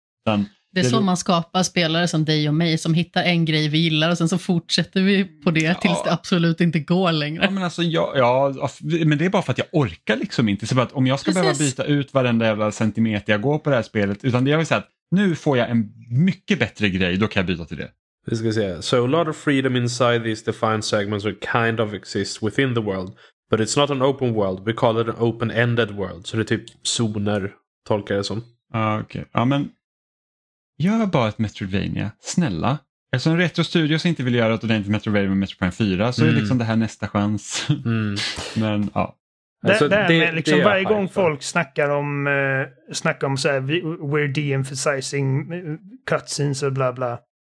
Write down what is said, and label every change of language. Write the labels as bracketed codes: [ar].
[sv] Utan, det är så man skapar spelare som dig och mig som hittar en grej vi gillar och sen så fortsätter vi på det tills det absolut inte går längre. Ja, men alltså, men det är bara för att jag orkar liksom inte. Så bara, att om jag ska behöva byta ut varenda jävla centimeter jag går på det här spelet, utan det är väl så att nu får jag en mycket bättre grej, då kan jag byta till det. Vi ska se. [en] So a lot of freedom inside these defined segments are kind of exist within the world. But it's not an open world. We call it an open-ended world. [sv] Så det är typ zoner, tolkar jag som. Ja, okej. Ja, men gör bara ett Metroidvania. Snälla. Eftersom en retro-studio som inte vill göra ett ordentligt Metroidvania med Metroid Prime 4 så är det liksom det här nästa chans. Men, ja. Det är liksom varje gång folk snackar om så här, [en] we're de-emphasizing cutscenes [sv] och bla bla.